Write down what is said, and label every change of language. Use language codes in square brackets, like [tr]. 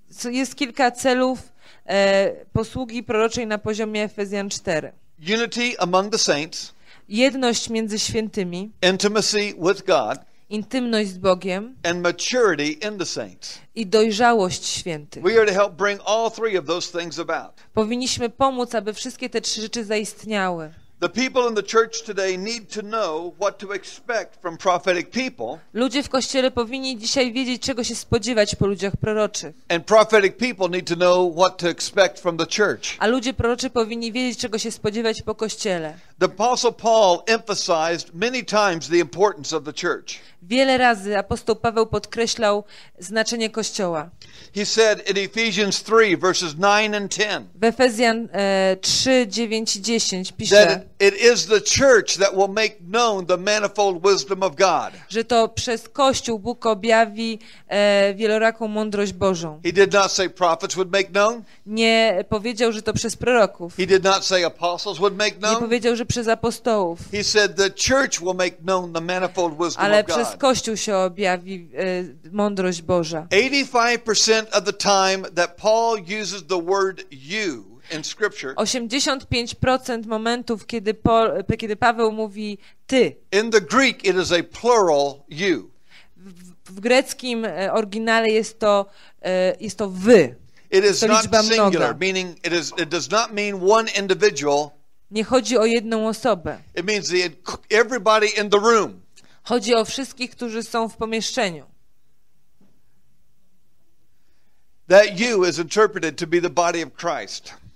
[pl] Jest kilka celów posługi proroczej na poziomie Efezjan 4. [en] Unity among the saints. [pl] Jedność między świętymi. [en] Intimacy with God. [pl] Intymność z Bogiem. [en] And maturity in the saints. [pl] I dojrzałość świętych. [en] We are to help bring all three of those things about. [pl] Powinniśmy pomóc, aby wszystkie te trzy rzeczy zaistniały. [en] The people in the church today need to know what to expect from prophetic people. [pl] Ludzie w kościele powinni dzisiaj wiedzieć, czego się spodziewać po ludziach proroczych. [en] And prophetic people need to know what to expect from the church. [pl] A ludzie proroczy powinni wiedzieć, czego się spodziewać po kościele. [en] The apostle Paul emphasized many times the importance of the church. [pl] Wiele razy apostoł Paweł podkreślał znaczenie Kościoła. [en] He said in Ephesians 3, verses 9 and 10. [pl] W Efezjan 3, 9 i 10 pisze, [en] that it is the church that will make known the manifold wisdom of God. [pl] Że to przez Kościół Bóg objawi wieloraką mądrość Bożą. [en] He did not say prophets would make known. [pl] Nie powiedział, że to przez proroków. [en] He did not say apostles would make known. [pl] Nie powiedział, że przez apostołów. [en] He said the church will make known the manifold wisdom of God. [pl] Ale przez Kościół się objawi mądrość Boża. [en] 85% of the time that Paul uses the word you in scripture. [pl] 85% momentów, kiedy Paweł mówi ty. [en] In the Greek it is a plural you. [pl] W greckim oryginale jest to wy. [en] It is not singular, [pl] mnoga. [en] Meaning it does not mean one individual. [pl] Nie chodzi o jedną osobę. [en] It means everybody in the room. [pl] Chodzi o wszystkich, którzy są w pomieszczeniu. [en] That you is interpreted to be the body of Christ.